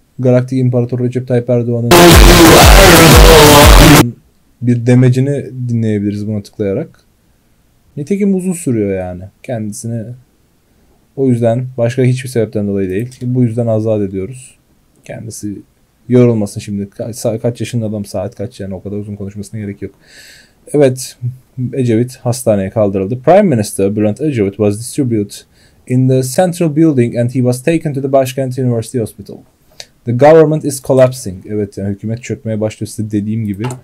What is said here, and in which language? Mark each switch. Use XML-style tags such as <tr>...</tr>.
<tr>Galaktik İmparator Recep Tayyip Erdoğan'ın bir demecini dinleyebiliriz buna tıklayarak. Nitekim uzun sürüyor yani kendisini. O yüzden başka hiçbir sebepten dolayı değil. Bu yüzden azat ediyoruz. Kendisi yorulmasın şimdi. Kaç yaşında adam, saat kaç yani, o kadar uzun konuşmasına gerek yok. Evet, Ecevit hastaneye kaldırıldı.</tr> <en>Prime Minister Bülent Ecevit was distributed in the central building and he was taken to the Başkent University Hospital. The government is collapsing.</en> <tr>Evet, yani hükümet çökmeye başlıyor size dediğim gibi.</tr>